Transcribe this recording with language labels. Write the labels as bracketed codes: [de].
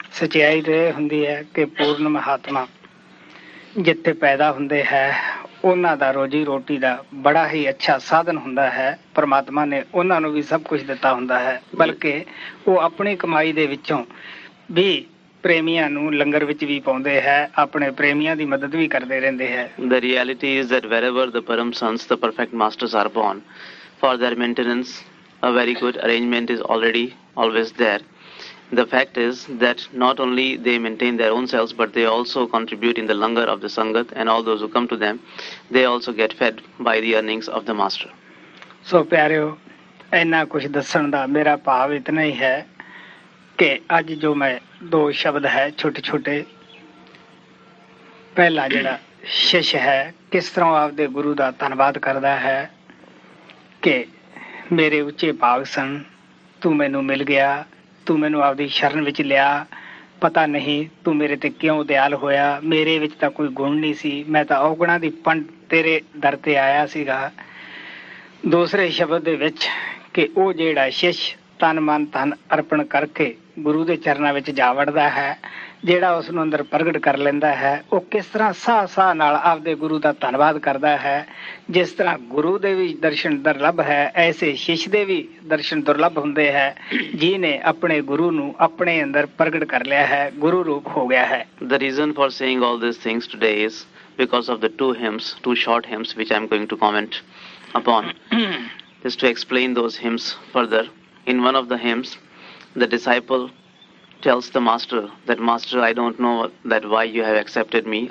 [pa] ਸੱਚਾਈ ਇਹ ਹੁੰਦੀ ਹੈ ਕਿ ਪੂਰਨ ਮਹਾਤਮਾ ਜਿੱਥੇ ਪੈਦਾ ਹੁੰਦੇ ਹੈ ਉਹਨਾਂ ਦਾ ਰੋਜ਼ੀ ਰੋਟੀ ਦਾ ਬੜਾ ਹੀ ਅੱਛਾ ਸਾਧਨ ਹੁੰਦਾ ਹੈ, ਪਰਮਾਤਮਾ ਨੇ ਉਹਨਾਂ ਨੂੰ ਵੀ ਸਭ ਕੁਝ ਦਿੱਤਾ ਹੁੰਦਾ ਹੈ, ਬਲਕਿ ਉਹ ਆਪਣੀ ਕਮਾਈ ਦੇ ਵਿੱਚੋਂ ਵੀ ਪ੍ਰੇਮੀਆਂ ਨੂੰ ਲੰਗਰ ਵਿੱਚ ਵੀ ਪਾਉਂਦੇ ਹੈ, ਆਪਣੇ ਪ੍ਰੇਮੀਆਂ ਦੀ ਮਦਦ ਵੀ ਕਰਦੇ ਰਹਿੰਦੇ ਹੈ। [en] The reality is that wherever the param sons, the perfect masters are born, for their maintenance, a very good arrangement is already always there. The fact is that not only they maintain their own selves, but they also contribute in the langar of the sangat, and all those who come to them, they also get fed by the earnings of the master. [pa] So, ਪਿਆਰਿਓ, ਇੰਨਾ ਕੁਛ ਦੱਸਣ ਦਾ ਮੇਰਾ ਭਾਵ ਇਤਨਾ ਹੀ ਹੈ ਕਿ ਅੱਜ ਜੋ ਮੈਂ ਦੋ ਸ਼ਬਦ ਹੈ ਛੋਟੇ ਛੋਟੇ, ਪਹਿਲਾ ਜਿਹੜਾ ਸ਼ਿਸ਼ ਹੈ ਕਿਸ ਤਰ੍ਹਾਂ ਆਪਦੇ ਗੁਰੂ ਦਾ ਧੰਨਵਾਦ ਕਰਦਾ ਹੈ ਕਿ ਮੇਰੇ ਉੱਚੇ ਭਾਗ ਸਨ, ਤੂੰ ਮੈਨੂੰ ਮਿਲ ਗਿਆ, ਤੂੰ ਮੈਨੂੰ ਆਪਦੀ ਸ਼ਰਨ ਵਿੱਚ ਲਿਆ, ਪਤਾ ਨਹੀਂ ਤੂੰ ਮੇਰੇ 'ਤੇ ਕਿਉਂ ਦਿਆਲ ਹੋਇਆ, ਮੇਰੇ ਵਿੱਚ ਤਾਂ ਕੋਈ ਗੁਣ ਨਹੀਂ ਸੀ, ਮੈਂ ਤਾਂ ਔਗੁਣਾਂ ਦੀ ਪੰਡ ਤੇਰੇ ਦਰ 'ਤੇ ਆਇਆ ਸੀਗਾ। ਦੂਸਰੇ ਸ਼ਬਦ ਦੇ ਵਿੱਚ ਕਿ ਉਹ ਜਿਹੜਾ ਸ਼ਿਸ਼ ਤਨ ਮਨ ਧਨ ਅਰਪਣ ਕਰਕੇ ਗੁਰੂ ਦੇ ਚਰਨਾਂ ਵਿੱਚ ਜਾ ਵੜਦਾ ਹੈ, ਜਿਹੜਾ ਉਸਨੂੰ ਅੰਦਰ ਪ੍ਰਗਟ ਕਰ ਲੈਂਦਾ ਹੈ, ਉਹ ਕਿਸ ਤਰ੍ਹਾਂ ਸਾਹ ਸਾਹ ਨਾਲ ਆਪਦੇ ਗੁਰੂ ਦਾ ਧੰਨਵਾਦ ਕਰਦਾ ਹੈ। ਜਿਸ ਤਰ੍ਹਾਂ ਗੁਰੂ ਦੇ ਵੀ ਦਰਸ਼ਨ ਦੁਰਲੱਭ ਹੈ, ਐਸੇ ਸ਼ਿਸ਼ ਦੇ ਵੀ ਦਰਸ਼ਨ ਦੁਰਲੱਭ ਹੁੰਦੇ ਹੈ ਜਿਹਨੇ ਆਪਣੇ ਗੁਰੂ ਨੂੰ ਆਪਣੇ ਅੰਦਰ ਪ੍ਰਗਟ ਕਰ ਲਿਆ ਹੈ, ਗੁਰੂ ਰੂਪ ਹੋ ਗਿਆ ਹੈ। [en] The reason for saying all these things today is because of the two short hymns which I am going to comment upon. Just to explain those hymns further. In one of the hymns, the disciple tells the master that, Master, I don't know that why you have accepted me.